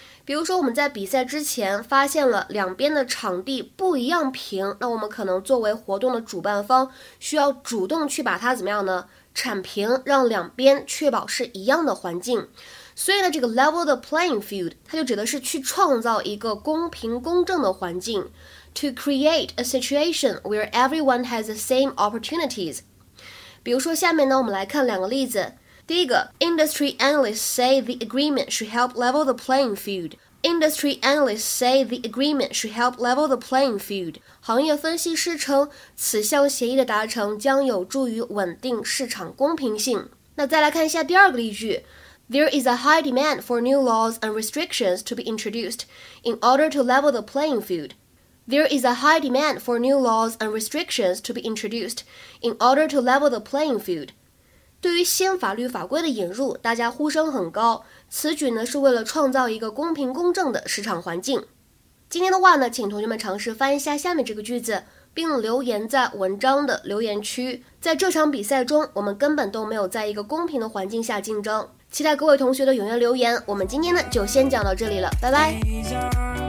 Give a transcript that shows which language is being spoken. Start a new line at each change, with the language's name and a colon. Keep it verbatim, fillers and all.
Chinese: 比如说我们在比赛之前发现了两边的场地不一样平，那我们可能作为活动的主办方需要主动去把它怎么样呢铲平，让两边确保是一样的环境。所以呢这个 level the playing field 它就指的是去创造一个公平公正的环境，
English: to create a situation where everyone has the same opportunities.
Chinese: 比如说下面呢我们来看两个例子。
English: 第一个 Industry analysts say the agreement should help level the playing field. Industry analysts say the agreement should help level the playing field.
Chinese: 行业分析师称此项协议的达成将有助于稳定市场公平性。那再来看一下第二个例句。
English: There is a high demand for new laws and restrictions to be introduced in order to level the playing field. There is a high demand for new laws and restrictions to be introduced in order to level the playing field.
Chinese: 对于新法律法规的引入，大家呼声很高，此举呢是为了创造一个公平公正的市场环境。今天的话呢，请同学们尝试翻译一下下面这个句子，并留言在文章的留言区。在这场比赛中，我们根本都没有在一个公平的环境下竞争。期待各位同学的踊跃留言。我们今天呢就先讲到这里了，拜拜。